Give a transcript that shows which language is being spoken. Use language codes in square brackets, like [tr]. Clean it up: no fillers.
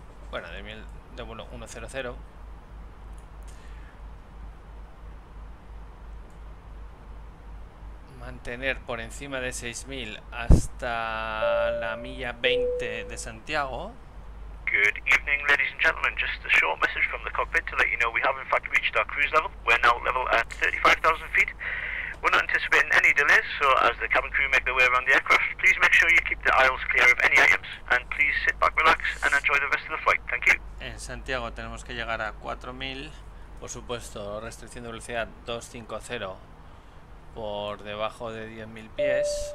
[es] Bueno, de 1.000, de vuelo 1.00. Mantener por encima de 6.000 hasta la milla 20 de Santiago. [en] Good evening, ladies and gentlemen. Just a short message from the cockpit to let you know we have in fact reached our cruise level. We're now level at 35,000 feet. We're not anticipating any delays, so as the cabin crew make their way around the aircraft, please make sure you keep the aisles clear of any items and please sit back, relax and enjoy the rest of the flight. Thank you. [es] En Santiago tenemos que llegar a 4.000. Por supuesto, restricción de velocidad 250 por debajo de 10.000 pies.